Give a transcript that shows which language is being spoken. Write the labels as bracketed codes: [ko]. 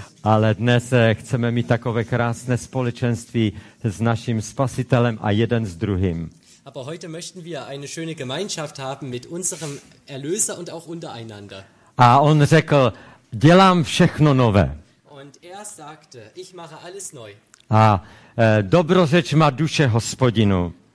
[cs] Ale dnes chceme mít takové krásné společenství s naším Spasitelem a jeden s druhým. [de] Aber heute möchten wir eine schöne Gemeinschaft haben mit unserem Erlöser und auch untereinander. [cs] A on řekl, dělám všechno nové. [de] Und er sagte, ich mache alles neu. [cs] A dobrořeč má duše Hospodinu.